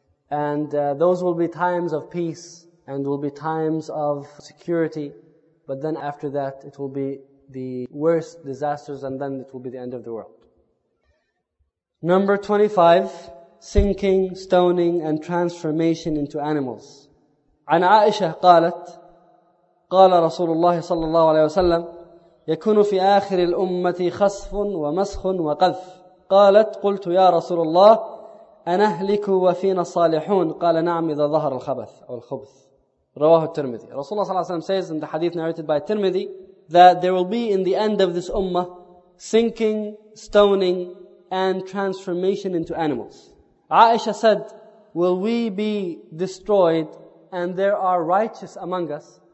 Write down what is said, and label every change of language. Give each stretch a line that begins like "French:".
English: And those will be times of peace and will be times of security. But then after that, it will be the worst disasters, and then it will be the end of the world. Number 25, sinking, stoning, and transformation into animals.
Arabic: عن عائشة قالت قال رسول الله صلى الله عليه وسلم يكون في آخر الأمة خصف ومسخ وقذف. قالت قلت يا رسول الله أنهلك وفينا الصالحون. قال نعم إذا ظهر الخبث أو الخبث. رواه الترمذي. رسول الله صلى الله عليه وسلم
English: says in the hadith narrated by Tirmidhi that there will be in the end of this ummah sinking, stoning, and transformation into animals. Aisha said, will we be destroyed and there are righteous among us?